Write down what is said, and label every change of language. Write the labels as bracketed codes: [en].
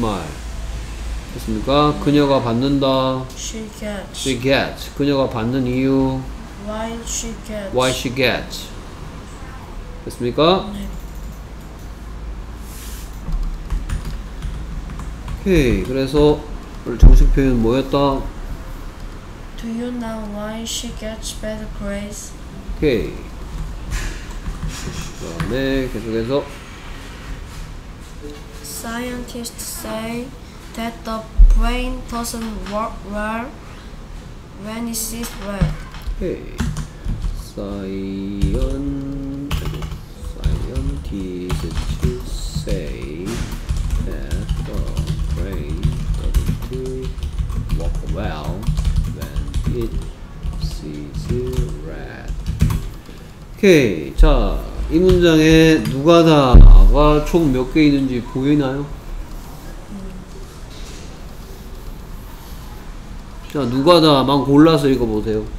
[ko] 말. 됐습니까? 그녀가 받는다. [en] She gets. She gets. [ko] 그녀가 받는 이유. [en] Why she gets. Why she gets. [ko] 됐습니까? 오케이. 그래서 정식 표현 뭐였다? [en] Do you know why she gets bad grades? [ko] 오케이. 그다음에 계속해서 [en] Scientists say that the brain doesn't work well when it sees red. [ko] 오케이. [en] Scientists say that the brain doesn't work well when it sees red. [ko] 오케이. 자, 이 문장에 누가 다가 총 몇 개 있는지 보이나요? 자, 누가 다만 골라서 읽어보세요.